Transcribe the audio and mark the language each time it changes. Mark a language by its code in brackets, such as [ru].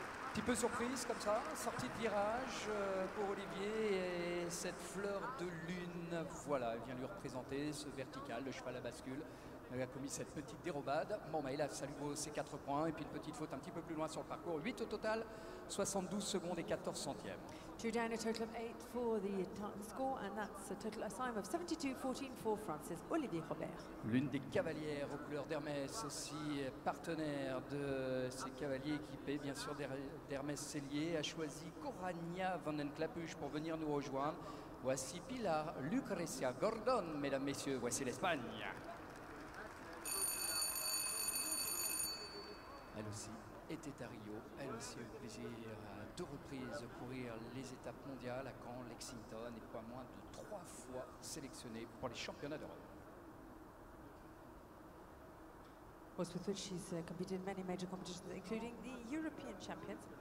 [fr] Un petit peu surprise comme ça, sortie de virage pour Olivier et cette fleur de lune, voilà, elle vient lui représenter ce vertical, le cheval à bascule, elle a commis cette petite dérobade, bon bah il a salué ses 4 points et puis une petite faute un petit peu plus loin sur le parcours, 8 au total, 72 secondes et 14 centièmes. [en] 2 down, a total of 8 for the score and that's a total time of 72-14 for Francis Olivier Robert. [fr] L'une des cavalières aux couleurs d'Hermès aussi, partenaire de ces cavaliers équipés bien sûr d'Hermès Cellier, a choisi Corania Van den Klapuche pour venir nous rejoindre. Voici Pilar Lucrecia Gordon, mesdames, messieurs, voici l'Espagne. Elle aussi était à Rio, elle aussi a eu le plaisir à deux reprises courir les étapes mondiales à Caen, Lexington et pas moins de 3 fois sélectionnée pour les championnats d'Europe. [en] Well, with which she's competed in many major competitions, including the European Champions.